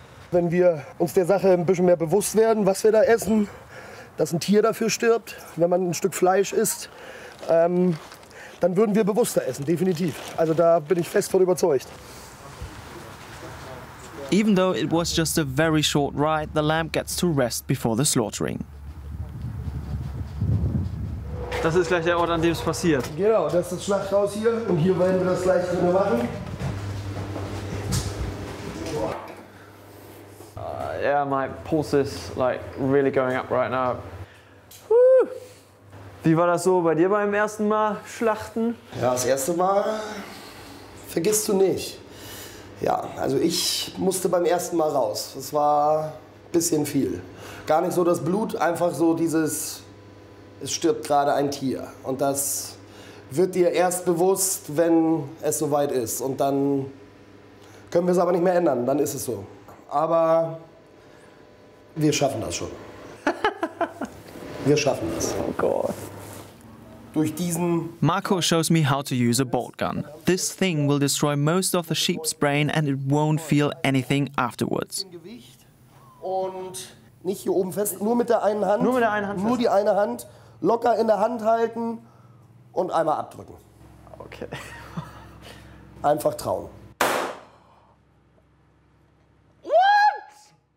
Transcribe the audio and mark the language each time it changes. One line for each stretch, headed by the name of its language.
German: Wenn wir uns der Sache ein bisschen mehr bewusst werden, was wir da essen, dass ein Tier dafür stirbt, wenn man ein Stück Fleisch isst, dann würden wir bewusster essen, definitiv. Also da bin ich fest von überzeugt.
English: Even though it was just a very short ride, the lamb gets to rest before the slaughtering.
German: Das ist gleich der Ort, an dem es passiert. Genau, das ist das Schlachthaus hier und hier werden wir das gleich wieder machen.
English: Yeah, my pulse is like really going up right now.
German: Wie war das so bei dir beim ersten Mal schlachten? Ja, das erste Mal vergisst du nicht. Ja, also ich musste beim ersten Mal raus. Das war ein bisschen viel. Gar nicht so das Blut, einfach so dieses, es stirbt gerade ein Tier. Und das wird dir erst bewusst, wenn es soweit ist. Und dann können wir es aber nicht mehr ändern, dann ist es so. Aber wir schaffen das schon. Wir schaffen das. Oh Gott.
English: Marco shows me how to use a bolt gun. This thing will destroy most of the sheep's brain and it won't feel anything afterwards.
German: Und nicht hier oben fest, nur mit der einen Hand. Nur mit der einen Hand. Nur die eine Hand. Locker in der Hand halten und einmal abdrücken. Okay. Einfach trauen.
English: What?